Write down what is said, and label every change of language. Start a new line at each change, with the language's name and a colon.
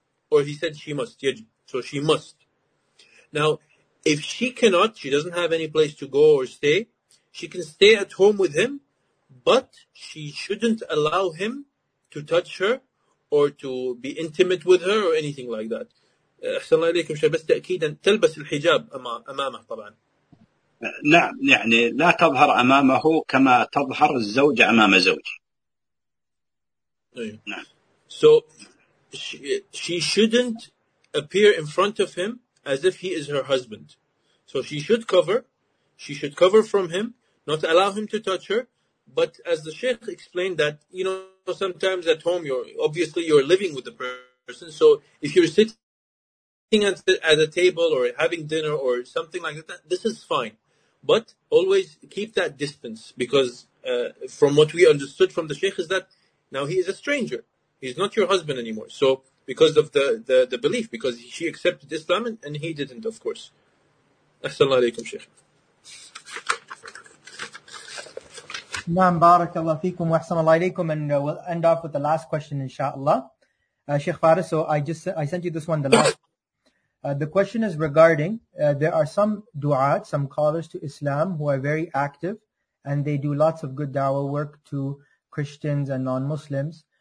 English: or he said she must, yajib. So she must. Now, if she cannot, she doesn't have any place to go or stay, she can stay at home with him, but she shouldn't allow him to touch her or to be intimate with her or anything like that.
Arabic: أحسن الله إليكم شيخ بس تأكيدا تلبس الحجاب أمامه طبعا. نعم يعني لا تظهر أمامه كما تظهر الزوجة أمام زوجها. نعم.
English: So she shouldn't appear in front of him as if he is her husband. So she should cover. She should cover from him, not allow him to touch her. But as the Sheikh explained that, you know, sometimes at home, you're living with the person. So if you're sitting at a table or having dinner or something like that, this is fine. But always keep that distance, because from what we understood from the Sheikh is that now he is a stranger. He's not your husband anymore. So because of the belief, because she accepted Islam and he didn't, of course.
Arabic: As-salamu alaykum, Sheikh. نعم بارك الله فيكم وحسن الله عليكم.
English: And we'll end off with the last question, inshallah. Sheikh Faris, so I sent you this one, the last. The question is regarding, there are some du'at, some callers to Islam who are very active and they do lots of good da'wah work to Christians and non-Muslims.